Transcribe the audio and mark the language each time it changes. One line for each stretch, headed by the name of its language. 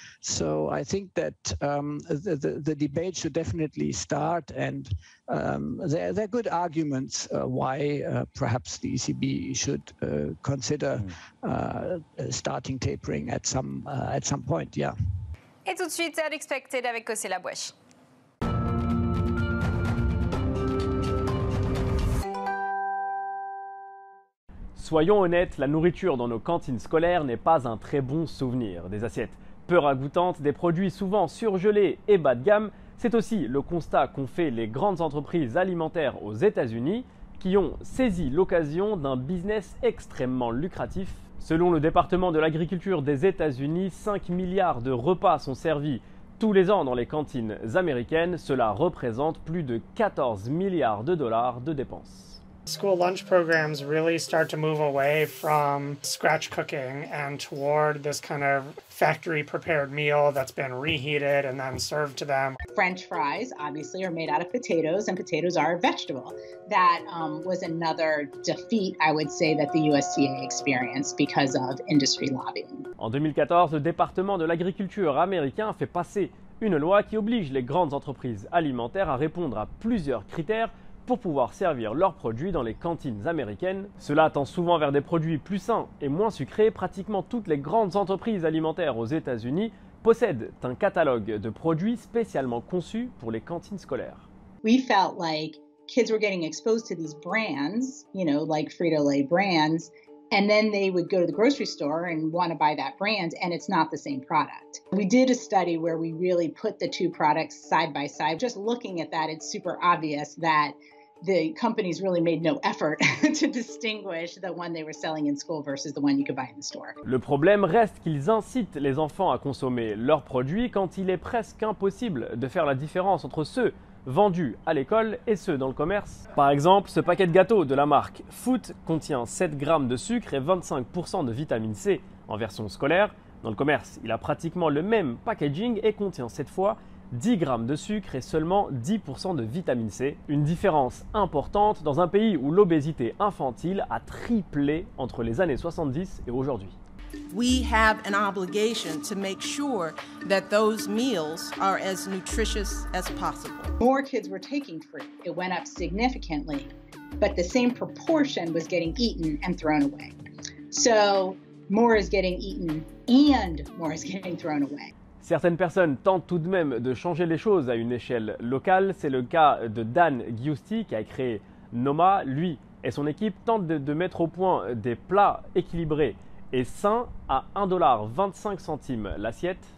English: So I think that the debate should definitely start, and there are good arguments why perhaps the ECB should consider starting tapering at some point. Yeah.
French: Et tout de suite, c'est Unexpected avec Cossé Labouèche. Soyons honnêtes, la nourriture dans nos cantines scolaires n'est pas un très bon souvenir. Des assiettes peu ragoûtantes, des produits souvent surgelés et bas de gamme, c'est aussi le constat qu'ont fait les grandes entreprises alimentaires aux États-Unis qui ont saisi l'occasion d'un business extrêmement lucratif. Selon le département de l'agriculture des États-Unis, 5 milliards de repas sont servis tous les ans dans les cantines américaines. Cela représente plus de 14 milliards de dollars de dépenses.
English: School lunch programs really start to move away from scratch cooking and toward this kind of factory prepared meal that's been reheated and then served to them. French fries obviously are made out of potatoes, and potatoes are a vegetable. That was another defeat, I would say, that the USDA experienced because of industry lobbying.
French: En 2014, le département de l'agriculture américain fait passer une loi qui oblige les grandes entreprises alimentaires à répondre à plusieurs critères pour pouvoir servir leurs produits dans les cantines américaines. Cela tend souvent vers des produits plus sains et moins sucrés. Pratiquement toutes les grandes entreprises alimentaires aux États-Unis possèdent un catalogue de produits spécialement conçus pour les cantines scolaires.
English: We felt like kids were getting exposed to these brands, you know, like Frito-Lay brands, and then they would go to the grocery store and want to buy that brand, and it's not the same product. We did a study where we really put the two products side by side. Just looking at that, it's super obvious that the companies really made no effort to distinguish the one they were selling in school versus the one you could buy in the store.
French: Le problème reste qu'ils incitent les enfants à consommer leurs produits quand il est presque impossible de faire la différence entre ceux vendus à l'école et ceux dans le commerce. Par exemple, ce paquet de gâteaux de la marque Foot contient 7 g de sucre et 25% de vitamine C en version scolaire. Dans le commerce, il a pratiquement le même packaging et contient cette fois 10 g de sucre et seulement 10% de vitamine C. Une différence importante dans un pays où l'obésité infantile a triplé entre les années 70 et aujourd'hui.
English: We have an obligation to make sure that those meals are as nutritious as possible. More kids were taking fruit. It went up significantly, but the same proportion was getting eaten and thrown away. So more is getting eaten and more is getting thrown away.
French: Certaines personnes tentent tout de même de changer les choses à une échelle locale. C'est le cas de Dan Giusti qui a créé Noma. Lui et son équipe tentent de mettre au point des plats équilibrés et sain à 1,25 $ l'assiette.